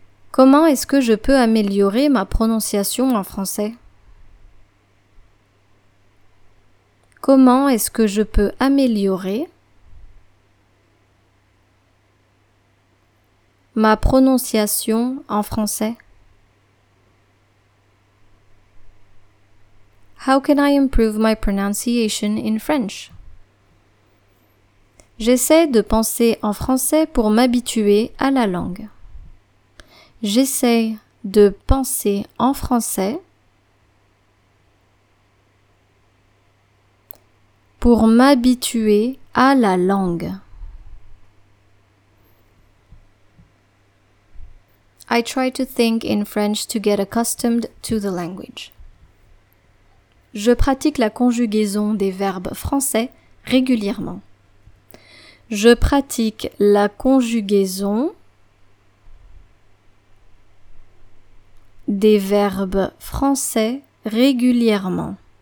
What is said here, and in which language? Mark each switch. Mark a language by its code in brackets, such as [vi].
[fr] Comment est-ce que je peux améliorer ma prononciation en français? Comment est-ce que je peux améliorer ma prononciation en français? [en] How can I improve my pronunciation in French? [fr] J'essaie de penser en français pour m'habituer à la langue. J'essaie de penser en français pour m'habituer à la langue. [en] I try to think in French to get accustomed to the language. [fr] Je pratique la conjugaison des verbes français régulièrement. Je pratique la conjugaison des verbes français régulièrement.